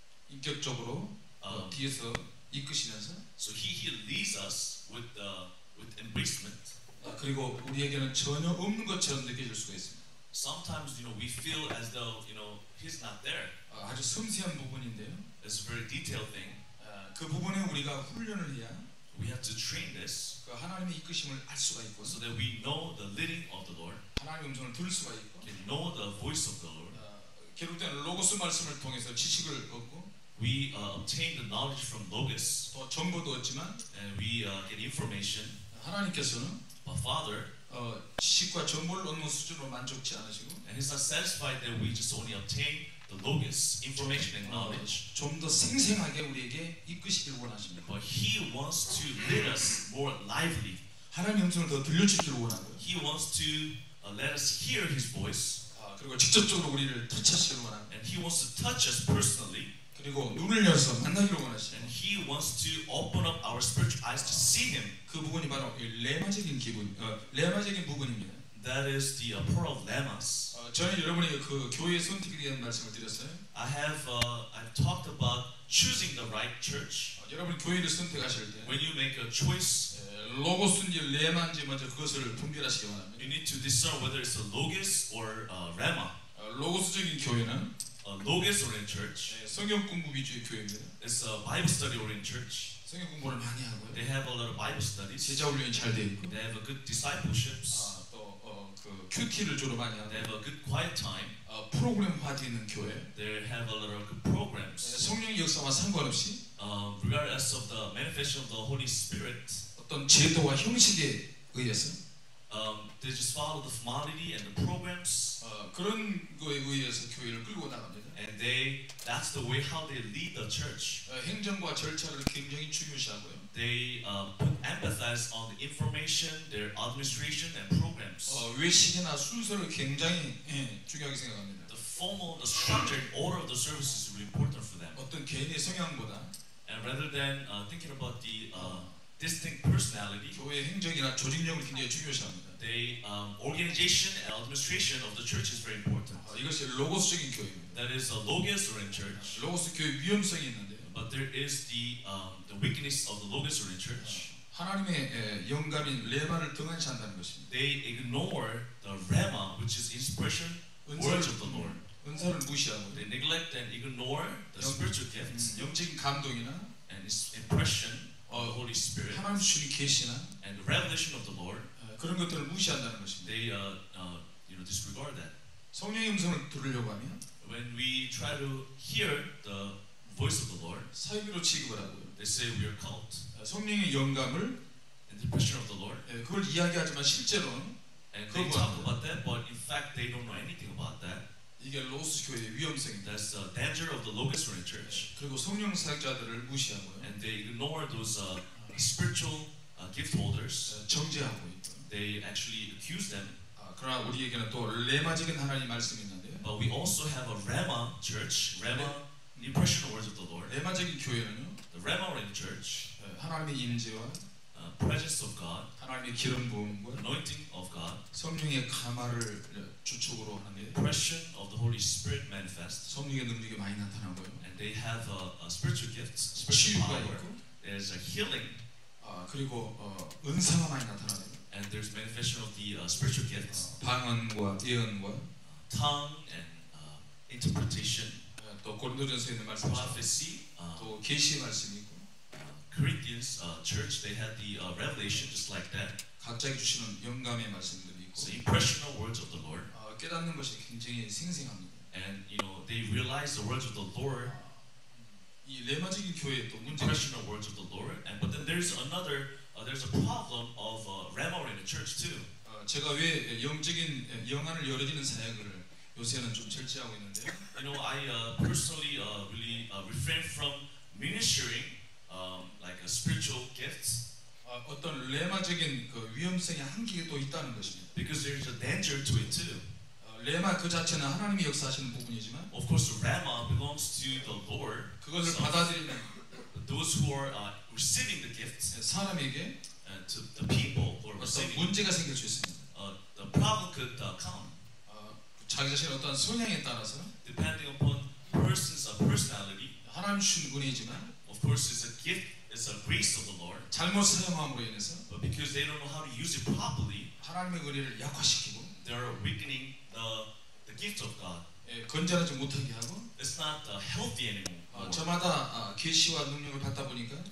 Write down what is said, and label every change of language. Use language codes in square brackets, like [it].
[ko] 인격적으로 뒤에서 이끄시면서, [en] So He leads us with the with embracement. [ko] 그리고 우리에게는 전혀 없는 것처럼 느껴질 수가 있습니다. [en] Sometimes you know we feel as though you know he's not there. [ko] 아주 섬세한 부분인데요. [en] It's a very detailed thing. [ko] 그 부분에 우리가 훈련을 해야, [en] we have to train this. [ko] 그 하나님의 이끄심을 알 수가 있고, [en] so that we know the leading of the Lord. [ko] 하나님의 음성을 들을 수가 있고, [en] can know the voice of the Lord. [ko] 결국에는 로고스 말씀을 통해서 지식을 얻고, [en] we obtain the knowledge from logos. [ko] 또 정보도 얻지만, [en] and we get information. [ko] 하나님께서는, [en] but Father, [ko] 식과 정보를 얻는 수준으로 만족지 않으시고 [en] and he's not satisfied that we just only obtain the logos, information and knowledge. [ko] 좀 더 생생하게 우리에게 이끄시길 원하십니다. [en] But he wants to lead us more lively. [ko] 하나님 음성을 더 들려주시길 원하고요. [en] He wants to let us hear his voice. [ko] 그리고 직접적으로 우리를 터치하시길 원합니다. [en] And he wants to touch us personally. [ko] 그리고 눈을 열어서 만나기를 원하시고 [en] And he wants to open up our spiritual eyes to see him. [ko] 그 부분이 바로 레마적인 기분, 레마적인 부분입니다. [en] That is the pearl of lemmas. [ko] 저는 여러분에게 그 교회 선택에 대한 말씀을 드렸어요. [en] I've talked about choosing the right church. [ko] 여러분 교회를 선택하실 때, [en] when you make a choice, [ko] 로고스인지 레마인지 먼저 그것을 분별하시기 바랍니다. [en] You need to discern whether it's a logos or a rhema. [ko] 로고스적인 교회는 [en] a logos oriented church. [ko] 성경 공부 위주의 교회입니다. [en] It's a Bible study oriented church. [ko] 성경 공부를 많이 하고요. [en] They have a lot of Bible studies. [ko] 제자 훈련 잘 돼 있고. [en] They have a good discipleships. [ko] 큐티를 주로 많이 하고, [en] they have a good quiet time. [ko] 프로그램화 되는 교회, [en] they have a lot of good programs. [ko] 성령의 역사와 상관없이, [en] regardless of the manifestation of the Holy Spirit, [ko] 어떤 제도와 형식에 의해서, [en] they just follow the formality and the programs. [ko] 그런 거에 의해서 교회를 끌고 나갑니다. [en] And they, that's the way how they lead the church. [ko] 행정과 절차를 굉장히 중요시하고요. [en] They put emphasis on the information, their administration, and programs. [ko] 외식이나 순서를 굉장히 중요하게 생각합니다. [en] The formal, the structure, order of the service is really important for them. [ko] 어떤 개인의 성향보다, [en] and rather than thinking about the distinct personality, [ko] 교회 행정이나 조직력을 굉장히 중요시합니다. [en] They organization and administration of the church is very important. [ko] 이것이 로고스적인 교회입니다. [en] That is a logos-oriented church. [ko] 로고스 교회 위험성이 있는데. [en] But there is the weakness of the logos or the church. [ko] 하나님의 영감인 레마를 등한시한다는 것입니다. [en] They ignore the rhema, which is inspiration, words of the Lord. [ko] 은사를 무시하고. [en] They neglect and ignore the spiritual gifts. [ko] 영적인 감동이나 [en] and impression of the Holy Spirit. [ko] 하나님 주신 계시나 [en] and the revelation of the Lord. [ko] 그런 것들을 무시한다는 것입니다. [en] They disregard that. [ko] 성령의 음성을 들으려고 하면 [en] when we try to hear the voice of the Lord. [ko] 사역으로 취급을 하고요. [en] They say we are called. [ko] 성령의 영감을 [en] and the passion of the Lord. [ko] 그걸 이야기하지만 실제로는 [en] and they talk about that, but in fact they don't know anything about that. [ko] 이게 로고스 교회의 위험성입니다. [en] That's the danger of the logos oriented church. [ko] 그리고 성령 사역자들을 무시하고요. [en] And they ignore those spiritual gift holders. [ko] 정죄하고 있고. [en] They actually accuse them. [ko] 그러나 우리에게는 또 레마적인 하나님 말씀이 있는데요. [en] But we also have a rhema church. Rhema. Impression words of the Lord. [ko] 레마적인 교회는요. [en] The rhema oriented church. [ko] 하나님의 임재와 [en] presence of God. [ko] 하나님의 기름 부음과 [en] anointing of God. [ko] 성령의 감화를 주축으로 하는 [en] impression of the Holy Spirit manifest. [ko] 성령의 능력이 많이 나타나고요. [en] And they have a spiritual gifts, spiritual power. There's a healing. [ko] 그리고 은사가 많이 나타나요. [en] And there's manifestation of the spiritual gifts. [ko] 방언과 예언과 [en] tongue and interpretation. [ko] 또 고린도전서에 있는 말씀, [en] prophecy, [ko] 또 계시 말씀 있고, [en] Corinthians church they had the revelation just like that. [ko] 각자에게 주시는 영감의 말씀들이 있고, [en] so impressional words of the Lord. [ko] 깨닫는 것이 굉장히 생생합니다. [en] And you know they realize the words of the Lord. [ko] 이 레마적인 교회 또 문제, [en] impressional words of the Lord. And but then there's another there's a problem of rhema in the church too. [ko] 제가 왜 영적인 영안을 열어지는 사역을 요새는 좀 철저하고 있는데요. [en] You know, I personally really refrain from ministering like a spiritual gifts. [ko] 어떤 레마적인 그 위험성이 한계가 또 있다는 것입니다. [en] Because there is a danger to it too. [ko] 레마 그 자체는 하나님이 역사하시는 부분이지만, [en] of course, rhema belongs to the Lord. [ko] 그것을 받아들이는 [en] those who are receiving the gifts. [ko] 사람에게 [en] and to the people who are receiving. [ko] 어떤 문제가 생길 수 있습니다. [en] The problem could come. [ko] 자기 자신의 어떤 성향에 따라서 [en] depending upon person's personality [ko] 하나님 주신 분이지만 [en] of course it's a gift it's a grace of the Lord [ko] 잘못 사용함으로 인해서 [en] but because they don't know how to use it properly [ko] 하나님의 은혜를 약화시키고 [en] they're weakening the gift of God [ko] 건전하지 못하게 하고 [en] it's not healthy anymore [ko] 저마다 계시와 능력을 받다 보니까